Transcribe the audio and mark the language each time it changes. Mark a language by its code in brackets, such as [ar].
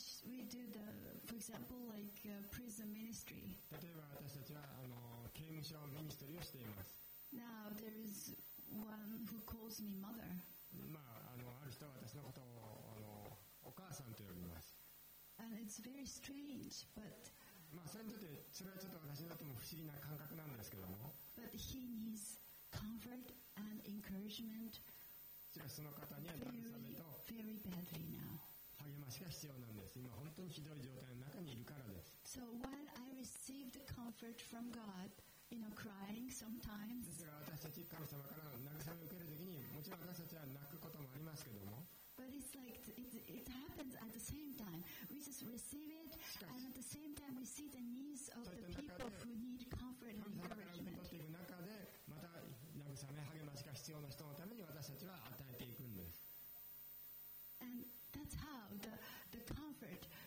[en] We do the, for example, like prison ministry. [ja] 例えば私たちは刑務所ミニストリーをしています。 [en] Now there is one who calls me mother. [ja] まあある人は私のことをお母さんと呼びます。 [en] And it's very strange, but. [ja] まあそれにとってそれはちょっと私にとっても不思議な感覚なんですけども。 [en] But he needs comfort and encouragement. [ja] しかしその方には慰めと。 [en] Very, very badly now. [ja] 励ましが必要なんです。今本当にひどい状態の中にいるからです。 [en] So while I received comfort from God, you know, crying sometimes. [ja] ですが私たち神様から慰めを受ける時にもちろん私たちは泣くこともありますけども。 [en] But it's like it happens at the same time. We just receive it, and at the same time we see the needs of the people who need comfort and encouragement. [ja] 神様から受け取っていく中でまた慰め励ましが必要な人のために私たちは与えていくんです。 [en] And that's how the comfort.